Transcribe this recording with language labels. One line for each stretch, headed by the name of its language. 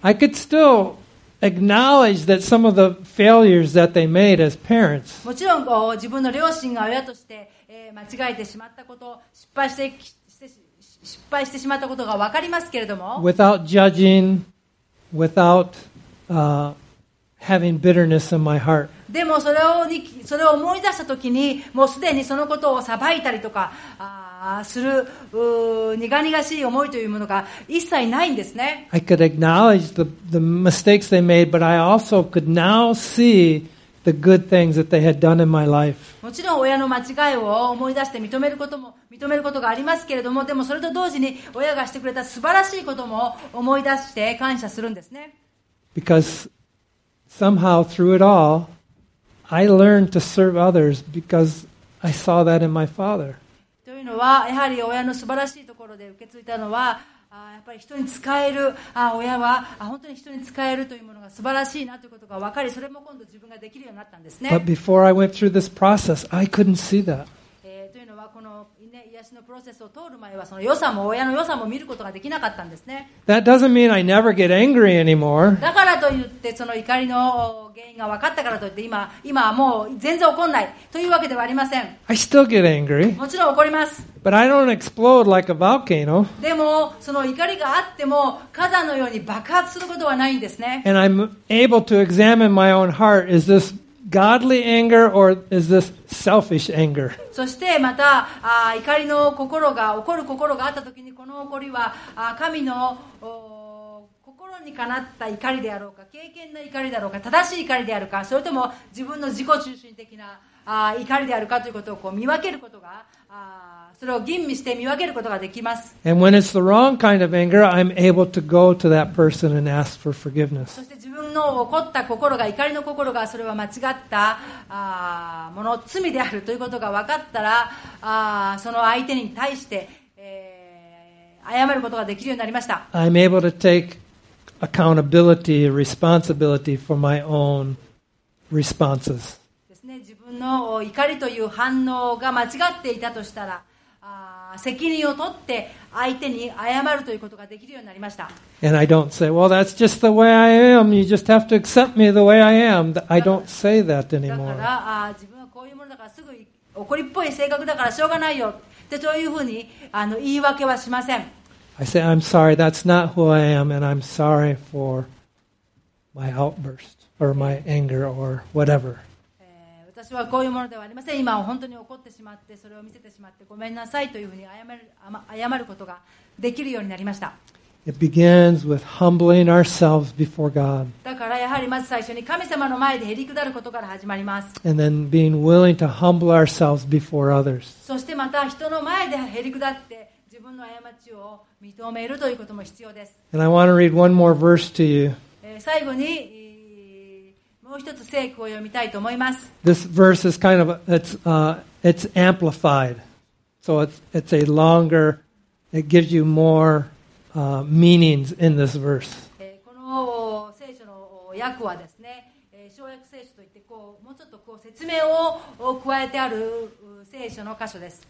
English: I could still acknowledge that some of the failures that they made as parents.
Japanese: もちろん自分の両親が親として、間違えてしまったこと、失敗してしまったことが分かりますけれども。
English: Without judging. Without having bitterness in my heart.
Japanese: でもそれを思い出したときに、もうすでにそのことを裁いたりとかする苦々しい思いというものが一切ないんですね。
English: I could acknowledge the mistakes they made, but I also could now see the good things that they had done in my life.
Japanese: もちろん親の間違いを思い出して認めることも認めることがありますけれども、でもそれと同時に親がしてくれた素晴らしいことも思い出して感謝するんですね。
English: Because somehow through it all, I learned to serve others because I saw that in my father.
Japanese: というのはやはり親の素晴らしいところで受け継いだのは、やっぱり人に使える、親は本当に人に使えるというものが素晴らしいなということが分かり、それも今度自分ができるようになったんですね。
English: But before I went through this process, I couldn't see that.
Japanese: というのはこの癒しのプロセスを通る前はその良さも親の良さも見ることができなかったんですね。
English: That doesn't mean I never get angry anymore.
Japanese: だからといってその怒りの原因が分かったからといって今はもう全然怒んないというわけではありません。
English: I still get angry.
Japanese: もちろん怒ります。
English: But I don't explode like a volcano.
Japanese: でもその怒りがあっても火山のように爆発することはないんですね。
English: And I'm able to examine my own heart. Is this godly anger or is this selfish anger?
Japanese: そしてまた怒りの心が怒る心があったときに、この怒りは神の心にかなった怒りであろうか、経験の怒りであろうか、正しい怒りであるか、それとも自分の自己中心的な怒りであるかということをこう見分けることが、それを吟味して見分けることができます。
English: And when it's the wrong kind of anger, I'm able to go to that person and ask for forgiveness.
Japanese: そして自分の怒った心が、怒りの心が、それは間違ったもの、罪であるということが分かったら、その相手に対して、謝ることができるようになりました。
English: I'm able to take accountability, responsibility for my own responses.
Japanese: ですね、自分の怒りという反応が間違っていたとしたら、責任を取って相手に謝るということができるようになりました。
English: And I don't say, well, that's just the way I am. You just have to accept me the way I am. I don't say that anymore.
Japanese: だから、自分はこういうものだからすぐ怒りっぽい性格だからしょうがないよ。でそういうふうに言い訳はしません。
English: I say, I'm sorry, that's not who I am, and I'm sorry for my outburst or my anger or whatever.
Japanese: 私はこういうものではありません。今は本当に怒ってしまって、それを見せてしまって、ごめんなさいというふうに謝ることができるようになりました。
English: It begins with humbling ourselves before God.
Japanese: だからやはりまず最初に神様の前でへりくだることから始まります。
English: And then being willing to humble ourselves before others.
Japanese: そしてまた人の前でへりくだって自分の過ちを認めるということも必要です。
English: And I want to read one more verse to you.
Japanese: 最後にもう一つ聖句を読みたいと思います。
English: This verse is kind of it's amplified. So it's a longer, it gives you more. Meanings in this verse.
Japanese: この聖書の訳はですね、省略聖書といってこうもうちょっとこう説明を加えてある聖書の箇所です。